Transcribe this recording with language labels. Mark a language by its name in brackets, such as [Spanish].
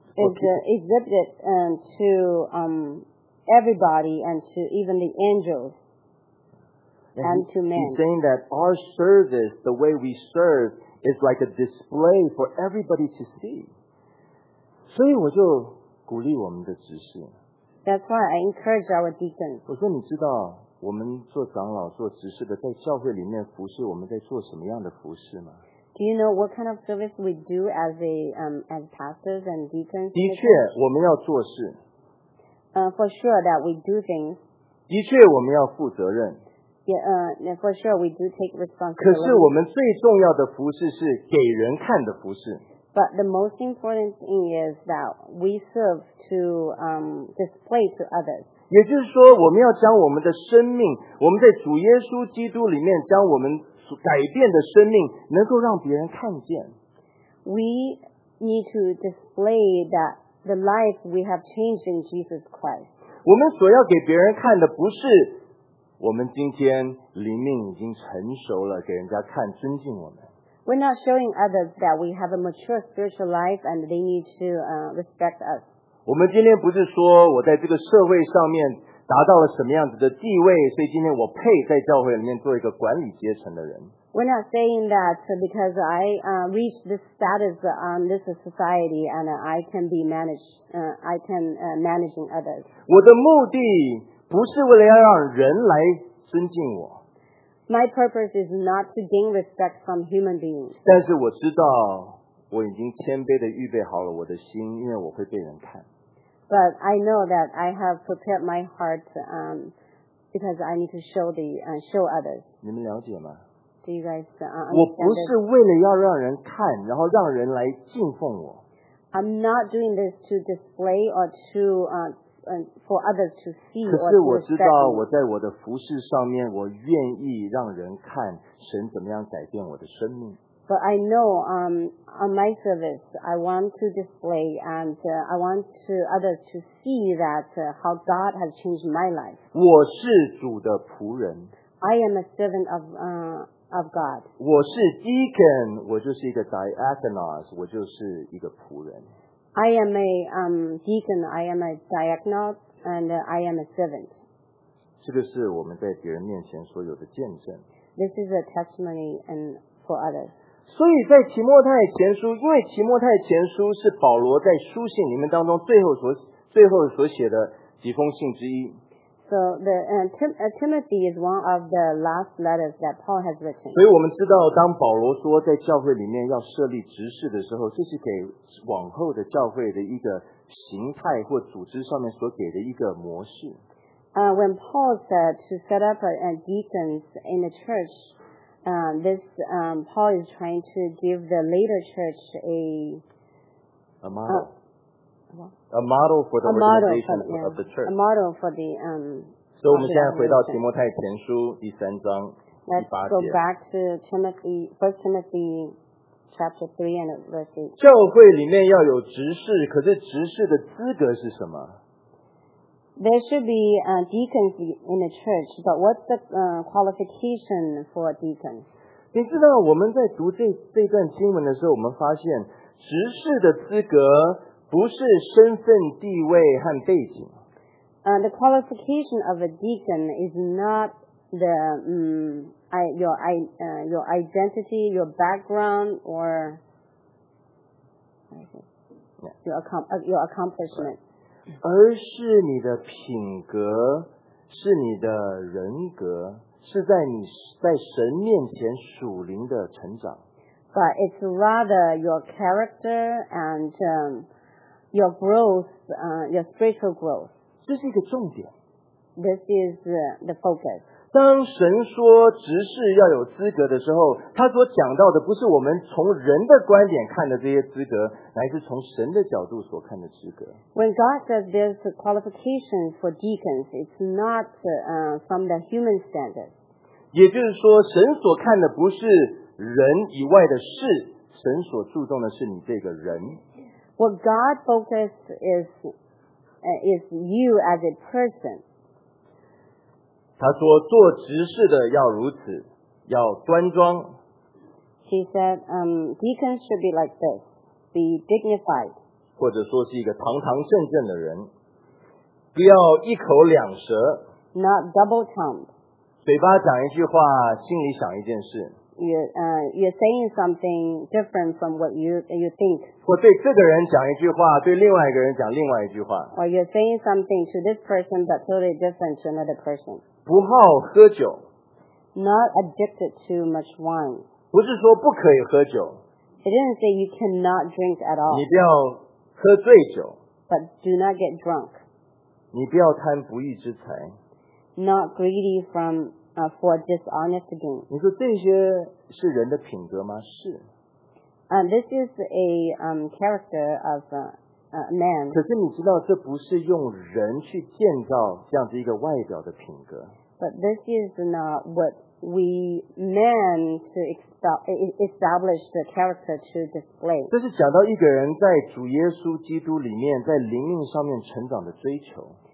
[English] exhibited to everybody and to even the angels. And to men. He's saying that our service, the way we serve, is like a display for everybody to see. [Chinese] 所以我就鼓励我们的执事。 [English] That's why I encourage our deacons. [Chinese] 我说你知道我们做长老、做执事的在教会里面服事，我们在做什么样的服事吗？ [English] Do you know what kind of service we do as a as pastors and deacons? [Chinese] 的确，我们要做事。 [English] For sure that we do things. [Chinese] 的确，我们要负责任。 [English] Yeah, for sure, we do take responsibility. [Chinese] 可是我们最重要的服事是给人看的服事。 [English] But the most important thing is that we serve to display to others. [Chinese] 也就是说，我们要将我们的生命，我们在主耶稣基督里面将我们改变的生命，能够让别人看见。 [English] We need to display that the life we have changed in Jesus Christ. [Chinese] 我们所要给别人看的不是。我们今天灵命已经成熟了，给人家看，尊敬我们。 [English] We're not showing others that we have a mature spiritual life and they need to respect us. [Chinese] 我们今天不是说我在这个社会上面达到了什么样子的地位，所以今天我配在教会里面做一个管理阶层的人。 [English] We're not saying that because I reached this status on this society and I can be managed, I can managing others. [Chinese] 我的目的。不是为了要让人来尊敬我。 [English] My purpose is not to gain respect from human beings. [Chinese] 但是我知道我已经谦卑地预备好了我的心，因为我会被人看。 [English] But I know that I have prepared my heart, because I need to show others. [Chinese] 你们了解吗？ [English] Do you guys understand? [Chinese] 我不是为了要让人看，然后让人来敬奉我。 [English] I'm not doing this to display or to for others to see or to respect. [Chinese] 可是我知道我在我的服事上面我愿意让人看神怎么样改变我的生命。 [English] But I know on my service I want to display and I want to others to see that how God has changed my life. [Chinese] 我是主的仆人。 [English] I am a servant of, of God. [Chinese] 我是 deacon, 我就是一个 diakonos, 我就是一个仆人。 [English] I am a deacon, I am a diaconos, and I am a servant. [Chinese] 这个是我们在别人面前所有的见证。 [English] This is a testimony and for others. [Chinese] 所以在提摩太前书，因为提摩太前书是保罗在书信里面当中最后所写的几封信之一。 [English] So the Timothy is one of the last letters that Paul has written. [Chinese] 所以我们知道，当保罗说在教会里面要设立执事的时候，这是给往后的教会的一个形态或组织上面所给的一个模式。 [English] When Paul said to set up a deacons in the church, Paul is trying to give the later church a model for the organization of the church. [Chinese] So 我们现在回到提摩太前书第三章第八节。 [English] Let's go back to Timothy, First Timothy, chapter 3 and verse 8. [Chinese] 教会里面要有执事，可是执事的资格是什么？ [English] There should be deacons in the church, but what's the qualification for deacons? [Chinese] 你知道我们在读这段经文的时候，我们发现执事的资格。不是身份地位和背景。 [English] The qualification of a deacon is not the your identity, your background, or your accomplishment. [Chinese] 而是你的品格，是你的人格，是在你在神面前属灵的成长。 [English] But it's rather your character and your growth, your spiritual growth. [Chinese] 这是一个重点。 [English] This is the focus. [Chinese] 当神说执事要有资格的时候，他所讲到的不是我们从人的观点看的这些资格，乃是从神的角度所看的资格。 [English] When God says there's a qualification for deacons, it's not from the human standards. [Chinese] 也就是说，神所看的不是人以外的事，神所注重的是你这个人。 [English] What God focused is you as a person. [Chinese] 他说做执事的要如此，要端庄。 [English] He said, deacons should be like this, be dignified. [Chinese] 或者说是一个堂堂正正的人，不要一口两舌。 [English] Not double-tongued. [Chinese] 嘴巴讲一句话，心里想一件事。 [English] You're saying something different from what you think. [Chinese] 我对这个人讲一句话，对另外一个人讲另外一句话。 [English] Or you're saying something to this person, but totally different to another person. [Chinese] 不好喝酒。 [English] Not addicted to much wine. [Chinese] 不是说不可以喝酒。 [English] It didn't say you cannot drink at all. [Chinese] 你不要喝醉酒。 [English] But do not get drunk. [Chinese] 你不要贪不义之财。 [English] Not greedy from for dishonest gain. [Chinese] 你说这些是人的品格吗？是。 [English] This is a character of man. [Chinese] 可是你知道，这不是用人去建造这样子一个外表的品格。 [English] But this is not what we man to establish the character to display. [Chinese] 这是讲到一个人在主耶稣基督里面，在灵命上面成长的追求。